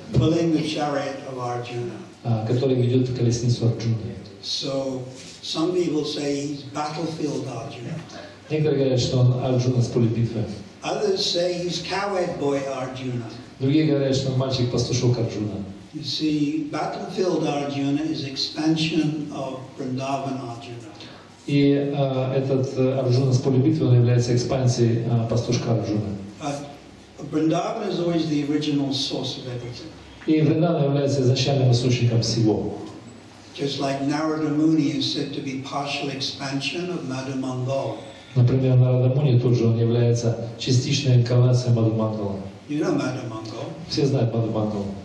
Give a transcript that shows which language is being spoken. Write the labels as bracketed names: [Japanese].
[English] Pulling the chariot of Arjuna. [Russian] Который ведет колесницу Арджуны. [English] So some people say he's battlefield Arjuna. [Russian] Некоторые говорят, что он Арджуна с поля битвы. [English] Others say he's cowherd boy Arjuna. [Russian] Другие говорят, что он мальчик пастушок Арджуна. [English] You see, battlefield Arjuna is expansion of Vrindavan Arjuna. [Russian] И этот Арджуна с поля битвы, он является экспансией пастушка Арджуна. [English] But Vrindavan is always the original source of everything. [Russian] И Вриндаван является изначальным источником всего. [English] Just like Narada Muni is said to be partial expansion of Madhu Mangal. [Russian] Например, Нарада Муни тоже он является частичной инкарнацией Мадху Мангала. [English] You know Madhu Mangal. [Russian] Все знают Мадху Мангала.